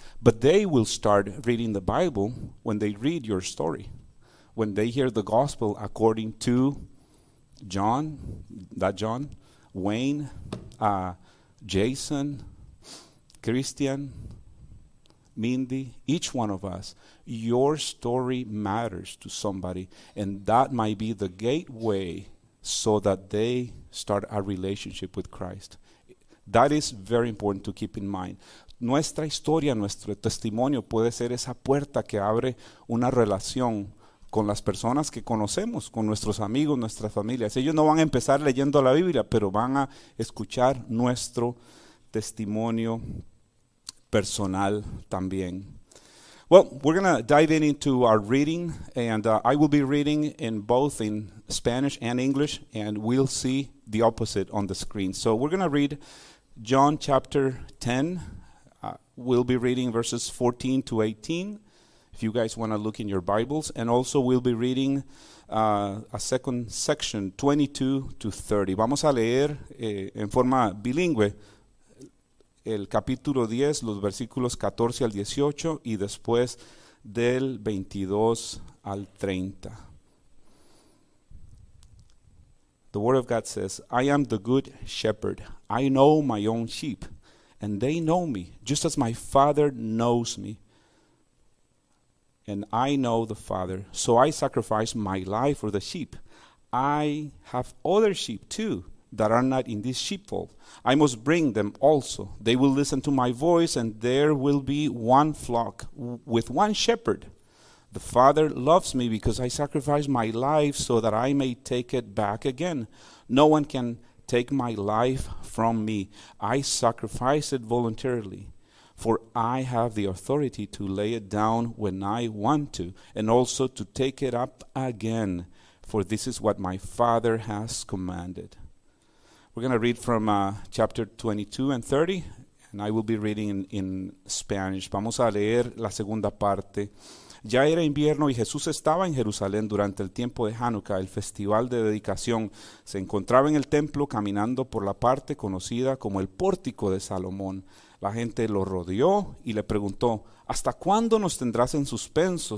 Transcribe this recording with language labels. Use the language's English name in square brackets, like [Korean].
[English] But they will start reading the Bible when they read your story, when they hear the gospel according to John, that John, Wayne, Jason, Christian, Mindy, each one of us. Your story matters to somebody, and that might be the gateway so that they start a relationship with Christ. That is very important to keep in mind. [Spanish] Nuestra historia, nuestro testimonio puede ser esa puerta que abre una relación con las personas que conocemos, con nuestros amigos, nuestras familias. Ellos no van a empezar leyendo la Biblia, pero van a escuchar nuestro testimonio personal también. [English] Well, we're going to dive into our reading, and I will be reading in both in Spanish and English, and we'll see the opposite on the screen. So we're going to read John chapter 10. We'll be reading verses 14 to 18, if you guys want to look in your Bibles. And also we'll be reading a second section, 22 to 30. [Spanish] Vamos a leer en forma bilingüe el capítulo 10, los versículos 14 al 18 y después del 22 al 30. [English] The Word of God says, "I am the good shepherd. I know my own sheep, and they know me, just as my Father knows me, and I know the Father. So I sacrifice my life for the sheep. I have other sheep too that are not in this sheepfold. I must bring them also. They will listen to my voice, and there will be one flock with one shepherd. The Father loves me because I sacrificed my life so that I may take it back again. No one can take my life from me. I sacrifice it voluntarily, for I have the authority to lay it down when I want to, and also to take it up again, for this is what my Father has commanded. We're going to read from chapter 22 and 30, and I will be reading in Spanish. [Spanish] Vamos a leer la segunda parte. Ya era invierno y Jesús estaba en Jerusalén durante el tiempo de Hanukkah, el festival de dedicación. Se encontraba en el templo caminando por la parte conocida como el pórtico de Salomón. La gente lo rodeó y le preguntó, ¿hasta cuándo nos tendrás en suspenso?